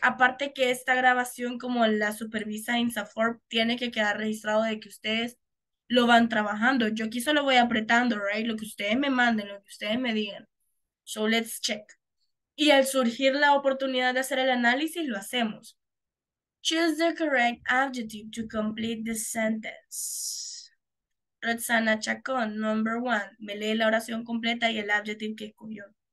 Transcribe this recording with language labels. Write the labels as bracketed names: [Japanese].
[Spanish] Aparte que esta grabación, como la supervisa InsaForp, tiene que quedar registrado de que ustedes lo van trabajando. Yo aquí solo voy apretando, right? Lo que ustedes me manden, lo que ustedes me digan. [English] So let's check. [Spanish] Y al surgir la oportunidad de hacer el análisis, lo hacemos. [English] Choose the correct adjective to complete the sentence. [Spanish] Roxana Chacón, [English] number one. [Spanish] Me lee la oración completa y el adjective que escogió.